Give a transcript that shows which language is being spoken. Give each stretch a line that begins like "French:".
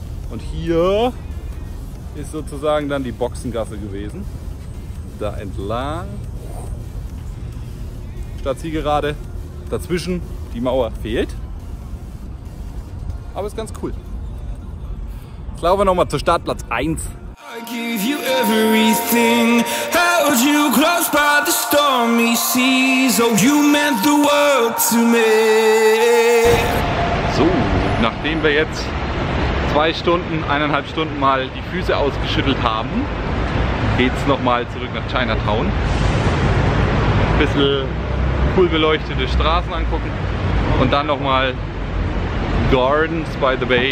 German: Und hier ist sozusagen dann die Boxengasse gewesen. Da entlang. Startzielgerade. Dazwischen die Mauer fehlt. Aber ist ganz cool. Jetzt laufen wir nochmal zu Startplatz 1.
English: I give you everything. Held you close by the stormy seas. Oh, you meant the world to me.
German: So, nachdem wir jetzt 2 Stunden, 1,5 Stunden mal die Füße ausgeschüttelt haben, geht's nochmal zurück nach Chinatown. Ein bisschen cool beleuchtete Straßen angucken. Und dann nochmal Gardens by the Bay.